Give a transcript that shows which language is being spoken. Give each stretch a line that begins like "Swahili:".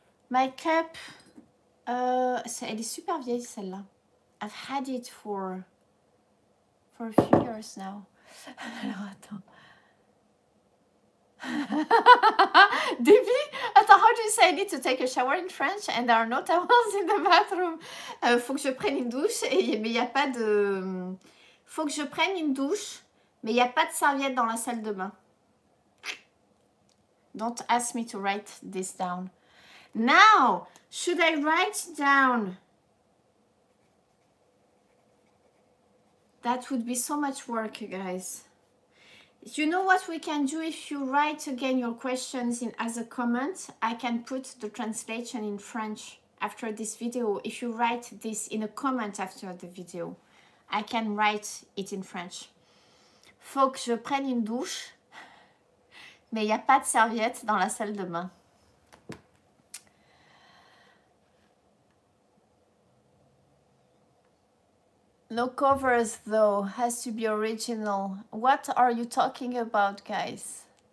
English: My cup.
French: Elle est super vieille celle-là.
English: I've had it for a few years now.
French: Alors attends.
English: Debbie, attends, how do you say I need to take a shower in French and there are no towels in the bathroom?
French: Faut que je prenne une douche et mais il y a pas de. Faut que je prenne une douche, mais il y a pas de serviette dans la salle de bain.
English: Don't ask me to write this down. Now, should I write down? That would be so much work, guys. You know what we can do? If you write again your questions in as a comment, I can put the translation in French after this video. If you write this in a comment after the video, I can write it in French.
French: Faut que je prenne une douche, mais il n'y a pas de serviette dans la salle de bain.
English: No covers though, has to be original. What are you talking about, guys?